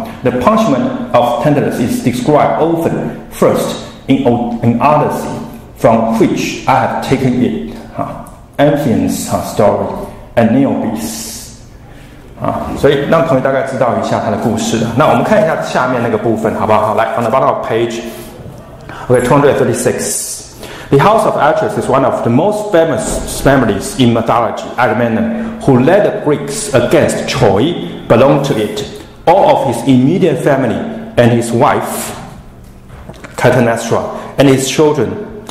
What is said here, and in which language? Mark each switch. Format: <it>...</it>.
<en>The punishment of Tantalus is described often first in an Odyssey from which I have taken it. Amphion's story and Niobe's.</en> <zh>所以让同学大概知道一下他的故事, 那我们看一下下面那个部分, 好不好?</zh> <en>来, on the bottom of page 236. The House of Atreus is one of the most famous families in mythology. Agamemnon, who led the Greeks against Troy, belonged to it. All of his immediate family and his wife, Clytemnestra, and his children,</en>